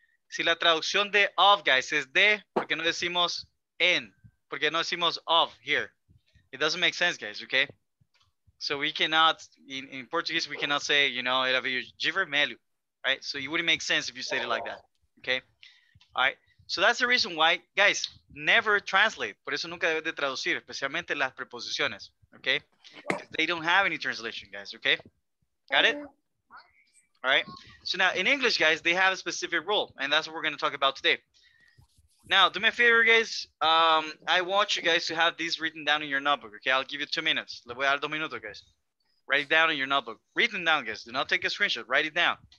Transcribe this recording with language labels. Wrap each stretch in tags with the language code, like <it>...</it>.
<es>Si la traducción de of, guys, es de, porque no decimos en, porque no decimos of here.</es> <en>It doesn't make sense, guys, okay? So we cannot, in Portuguese, we cannot say, you know,</en> <pt>era de vermelho,</pt> <en>right? So it wouldn't make sense if you said it like that, okay? All right, so that's the reason why, guys, never translate.</en> <es>Por eso nunca debes de traducir, especialmente las preposiciones, okay?</es> <en>Because they don't have any translation, guys, okay? Got it? All right, so now in English, guys, they have a specific rule, and that's what we're going to talk about today. Now, do me a favor, guys. I want you guys to have this written down in your notebook, okay? I'll give you 2 minutes.</en> <es>Le voy a dar 2 minutos,</es> <en>guys. Write it down in your notebook. Written down, guys. Do not take a screenshot. Write it down.</en>